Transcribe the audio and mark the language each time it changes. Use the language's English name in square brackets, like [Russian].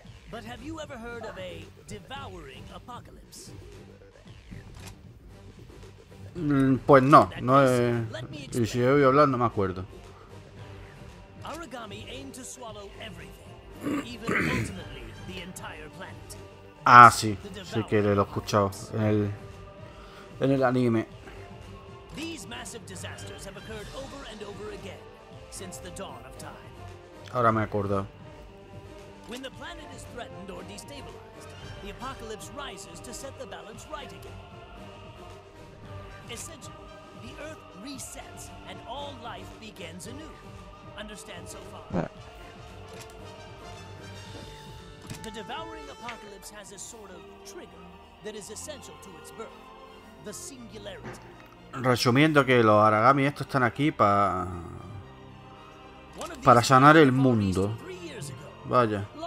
[English] But have you ever heard of a devouring apocalypse? [Spanish] Pues no, no es... Y si yo voy hablando, me acuerdo. [English] Aragami aimed to swallow everything, even ultimately the entire planet. [Spanish] Ah, sí, sí que lo he escuchado en el anime. [English] These massive disasters have occurred over and over again since the dawn of time. [Spanish] Ahora me acuerdo. [English] When the planet is threatened or destabilized, the apocalypse rises to set the balance right again. Essentially, the Earth resets and all life begins anew. Understand so far? The devouring apocalypse has a sort of trigger that is essential to its birth. The singularity. [Spanish] Resumiendo que los Aragami estos están aquí para sanar el mundo. Vaya.